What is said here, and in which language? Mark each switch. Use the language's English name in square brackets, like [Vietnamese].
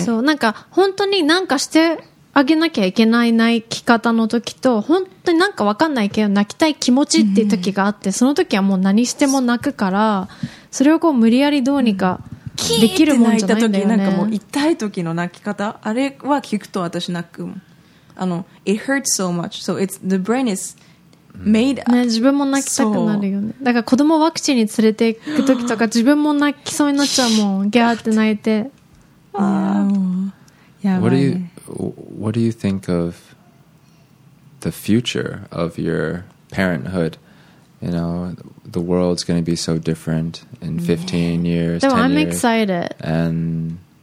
[Japanese] そうなんか本当になんかしてあげなきゃいけない泣き方の時と本当になんか分かんないけど泣きたい気持ちっていう時があって、うん、その時はもう何しても泣くからそれをこう無理やりどうにかできるもんじゃないんだよね。キーって泣いた時なんかもう痛い時の泣き方あれは聞くと私泣くもん。 [English] あの It hurts so much so it's the brain is made up、 [Japanese] ね、自分も泣きたくなるよね。だから子供ワクチンに連れていく時とか自分も泣きそうになっちゃうもんギャーって泣いて。 [English] What do you think of the future of your parenthood? You know, the world's going to be so different in 15 years, 10 years. No, I'm excited. And